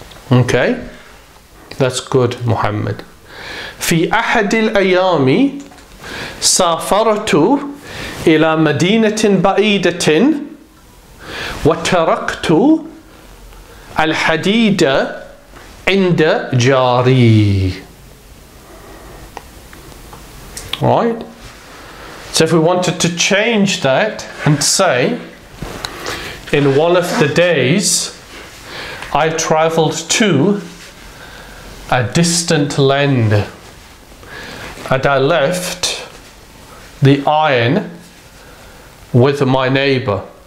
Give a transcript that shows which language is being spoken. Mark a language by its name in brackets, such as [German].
[English] Okay, that's good, Muhammad. [Arabic] في أحد الأيام سافرت إلى مدينة بعيدة وتركت الحديدة عند جاري. [English] Right? So if we wanted to change that and say, in one of the days, I traveled to a distant land and I left the iron with my neighbor.